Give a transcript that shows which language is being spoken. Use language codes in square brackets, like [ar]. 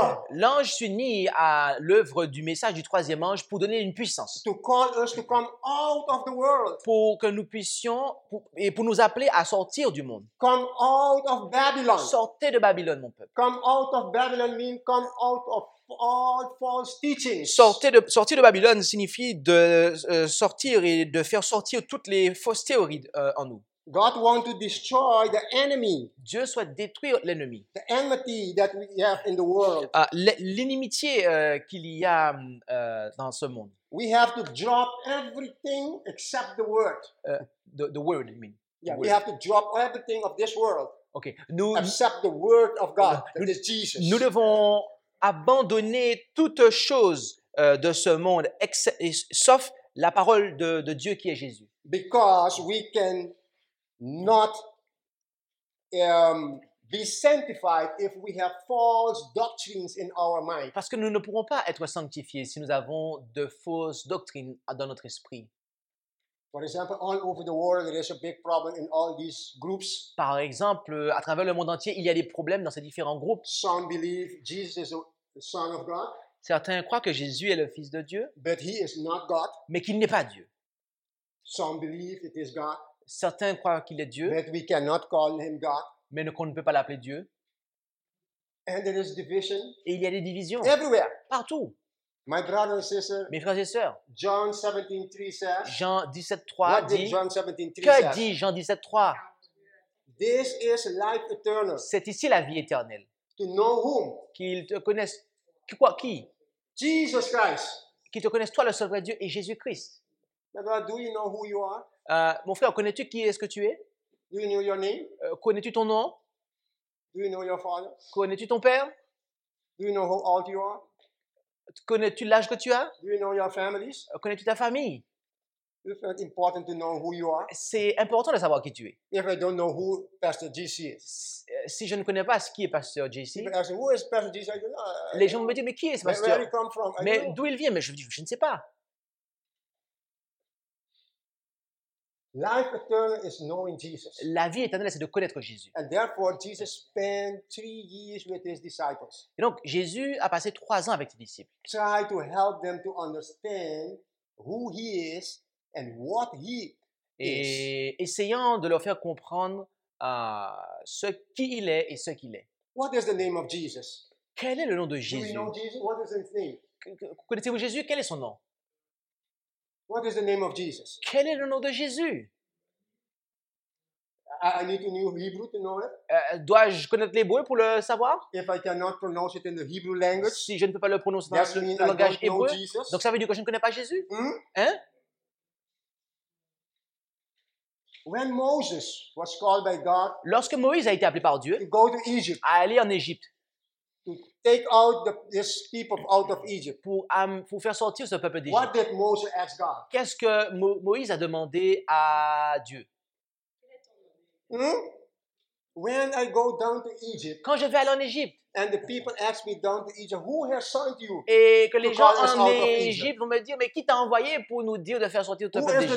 [fr] L'ange s'unit à l'œuvre du message du troisième ange pour donner une puissance. [en] To call us to come out of the world. [fr] Pour que nous puissions pour nous appeler à sortir du monde. [en] Come out of Babylon. [fr] Sortez de Babylone, mon peuple. [en] Come out of Babylon means come out of all false teachings. [fr] Sortir de Babylone signifie de sortir et de faire sortir toutes les fausses théories en nous. [en] God wants to destroy the enemy. [fr] Dieu souhaite détruire l'ennemi. [en] The enmity that we have in the world. [fr] L'inimitié qu'il y a dans ce monde. [en] We have to drop everything except the word. The word, I mean. Yeah, we have to drop everything of this world. Okay. Except the word of God, that is Jesus. [fr] Nous devons abandonner toute chose de ce monde, sauf la parole de Dieu qui est Jésus. [en] Because we can not be sanctified if we have false doctrines in our mind. [fr] Parce que nous ne pourrons pas être sanctifiés si nous avons de fausses doctrines dans notre esprit. [en] For example, all over the world, there is a big problem in all these groups. [fr] Par exemple, à travers le monde entier, il y a des problèmes dans ces différents groupes. [en] Some believe Jesus is the Son of God. [fr] Certains croient que Jésus est le Fils de Dieu. [en] But he is not God. [fr] Mais qu'il n'est pas Dieu. [en] Some believe it is God. [fr] Certains croient qu'il est Dieu, [en] but we cannot call him God. [fr] Mais qu'on ne peut pas l'appeler Dieu. [en] And there is division. [fr] Et il y a des divisions. [en] Everywhere. [fr] Partout. [en] My brother and sister, [fr] mes frères et sœurs. [en] John 17, 3 says, [fr] Jean 17, 3 [en] what [fr] dit. [en] Did John 17, 3 [fr] que [en] says, [fr] dit Jean 17, 3? [en] This is life eternal. [fr] C'est ici la vie éternelle. [en] To know whom? [fr] Qu'ils te connaissent. Quoi? Qui? [en] Jesus Christ. [fr] Qu'ils te connaissent toi, le seul vrai Dieu, et Jésus Christ. [en] My brother, do you know who you are? [fr] Mon frère, connais-tu qui est-ce que tu es? [en] Do you know your name? [fr] Connais-tu ton nom? [en] Do you know your father? [fr] Connais-tu ton père? [en] Do you know how old you are? [fr] Connais-tu l'âge que tu as? [en] Do you know your families? [fr] Connais-tu ta famille? [en] It's important to know who you are. [fr] C'est important de savoir qui tu es. [en] If I don't know who Pastor JC is. [fr] Si je ne connais pas ce qui est Pasteur JC, [en] people ask, who is Pastor JC? [fr] Les gens me disent, mais qui est ce pasteur? [en] Where he come from? [fr] Mais d'où il vient? Mais je ne sais pas. [en] Life eternal is knowing Jesus. [fr] La vie éternelle, c'est de connaître Jésus. [en] And therefore, Jesus spent 3 years with his disciples. [fr] Et donc, Jésus a passé 3 ans avec ses disciples. [en] Try to help them to understand who he is and what he is. [fr] Et essayant de leur faire comprendre ce qui il est et ce qu'il est. [en] What is the name of Jesus? [fr] Quel est le nom de Jésus? [en] Do you know Jesus? What is his name? [fr] Connaissez-vous Jésus? Quel est son nom? [en] What is the name of Jesus? [fr] Quel est le nom de Jésus? [en] I need to know Hebrew to know it. [fr] Dois-je connaître l'hébreu pour le savoir? [en] If I cannot pronounce it in the Hebrew language, [fr] si je ne peux pas le prononcer dans le langage hébreu, donc ça veut dire que je ne connais pas Jésus? Hein? [en] When Moses was called by God, [fr] lorsque Moïse a été appelé par Dieu, [en] to go to Egypt, [fr] à aller en Égypte, [en] to take out this people out of Egypt, [fr] pour faire sortir ce peuple d'Égypte. [en] What did Moses ask God? [fr] Qu'est-ce que Moïse a demandé à Dieu? [en] When I go down to Egypt, [fr] quand je vais aller en Égypte, [en] and the people ask me down to Egypt, who has sent you? [fr] Et que les gens en Égypte vont me dire, mais qui t'a envoyé pour nous dire de faire sortir ce peuple d'Égypte?